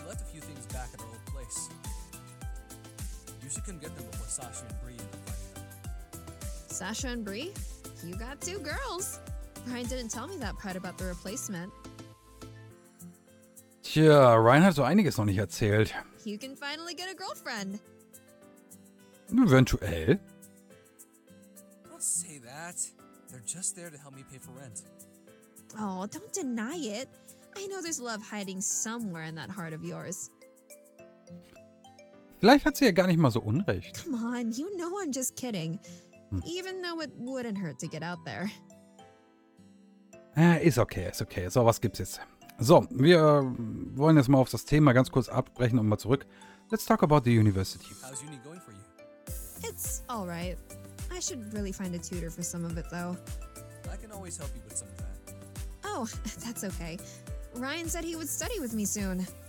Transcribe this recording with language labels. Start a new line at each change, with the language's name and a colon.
English: You left a few things back at our old place. You should come get them before Sasha and Bree end up fighting them. Sasha and Bree? You got two girls. Ryan didn't tell me that part about the replacement.
German: Tja, Ryan hat so einiges noch nicht erzählt.
English: You can finally get a girlfriend.
German: Eventuell.
English: Don't say that. They're just there to help me pay for rent. Oh, don't deny it. I know there's love hiding somewhere in that heart of yours.
German: Vielleicht hat sie ja gar nicht mal so Unrecht.
English: Come on, you know I'm just kidding. Even though it wouldn't hurt to get out there.
German: Ist okay, ist okay. So, was gibt's jetzt? So, wir wollen jetzt mal auf das Thema ganz kurz abbrechen und mal zurück.
English: Let's talk about the university. How's uni going for you? It's all right. I should really find a tutor for some of it, though. I can always help you with some of that. Oh, that's okay. Ryan said he would study with me soon.